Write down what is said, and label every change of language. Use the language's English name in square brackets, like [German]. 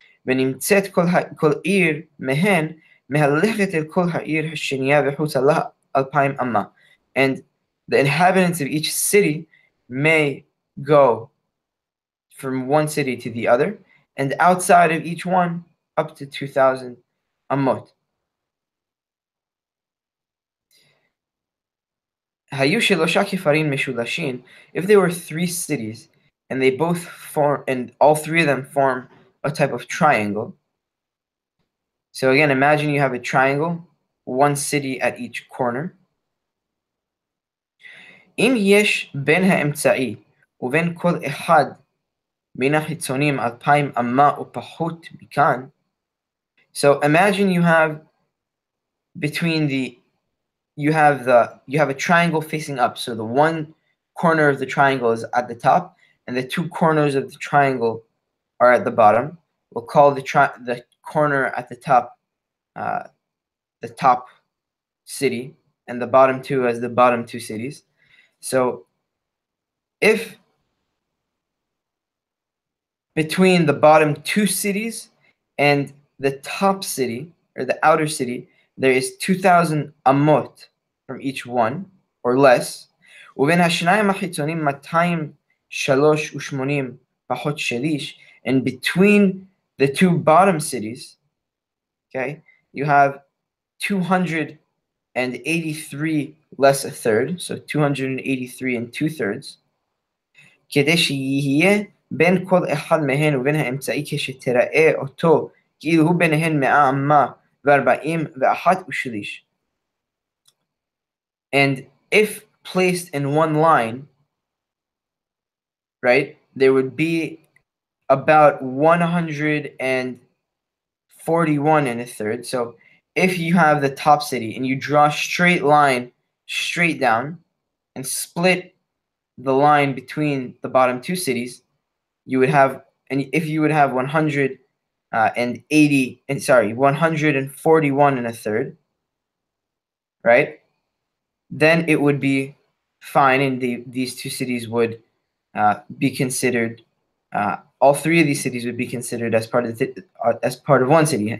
[Hebrew] ונמצאת כל עיר מהן מהלכת אל כל העיר השנייה וחוצה לה 2,000 אמה. [English] And the inhabitants of each city may go from one city to the other, and outside of each one up to 2,000 אמות. [Hebrew] היו שלושה כפרים משולשים, [English] if there were three cities and they both form, and all three of them form a type of triangle. So again, imagine you have a triangle, one city at each corner. [Hebrew] אם יש בין האמצעי ובין כל אחד מן החיצונים 2,000 אמה ופחות מכאן. [English] So imagine you have between the, you have a triangle facing up, so the one corner of the triangle is at the top and the two corners of the triangle are at the bottom. We'll call the corner at the top the top city, and the bottom two as the bottom two cities. So if between the bottom two cities and the top city or the outer city there is 2,000 amot from each one or less, [Hebrew] ובין השניים החיצונים 283 פחות שליש, [English] and between the two bottom cities, okay, you have 283 less a third, so 283 and 2/3, [Hebrew] כדי שיהיה בין כל אחד מהן ובין האמצעי כשתראה אותו כאילו הוא ביניהן 141 ושליש. [English] And if placed in one line, right, there would be about 141 and a third. So if you have the top city and you draw a straight line straight down and split the line between the bottom two cities, you would have, and if you would have 141 and a third, right, then it would be fine, and these two cities would be considered, all three of these cities would be considered as part of one city.